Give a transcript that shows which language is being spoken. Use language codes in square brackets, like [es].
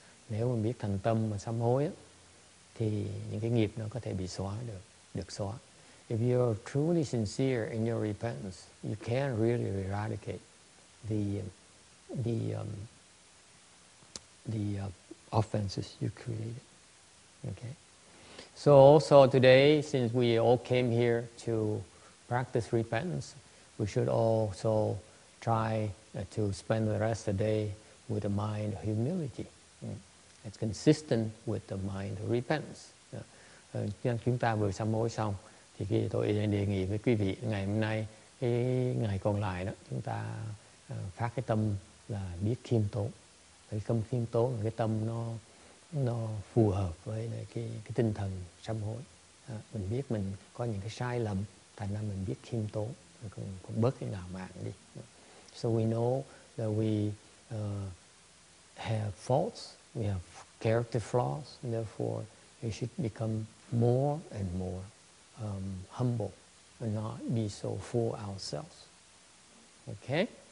[vi] Nếu mình biết thành tâm mà sám hối á, thì những cái nghiệp nó có thể bị xóa được xóa. [en] If you are truly sincere in your repentance, you can really eradicate the offenses you created. Okay. So also today, since we all came here to practice repentance, we should also try to spend the rest of the day with a mind of humility. It's consistent with the mind of repentance. [vi] Chúng ta vừa sám hối xong, thì tôi đề nghị với quý vị ngày hôm nay, cái ngày còn lại đó, chúng ta phát cái tâm là biết khiêm tốn. Cái tâm khiêm tốn là cái tâm nó phù hợp với cái tinh thần sám hối. Mình biết mình có những cái sai lầm, thành ra mình biết khiêm tốn, cũng bớt cái ngạo mạn đi. [en] So we know that we have faults, we have character flaws, and therefore we should become more and more humble and not be so full ourselves. Okay?